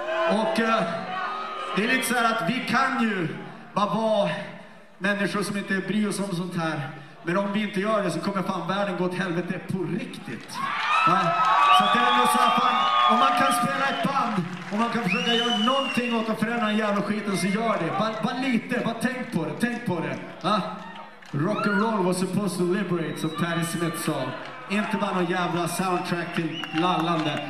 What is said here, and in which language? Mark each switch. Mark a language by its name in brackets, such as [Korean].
[Swedish] Och det är lite så här att vi kan ju bara vara människor som inte bryr oss om sånt här. Men om vi inte gör det, så kommer fan världen gå åt helvete på riktigt. Va? Så det är ju så här, fan, om man kan spela ett band, om man kan försöka göra någonting åt att förändra den jävla skiten, så gör det. Bara lite, bara tänk på det. Va? [English] Rock and roll was supposed to liberate, [Swedish] som Patti Smith sa. Inte bara någon jävla soundtrack till lallande.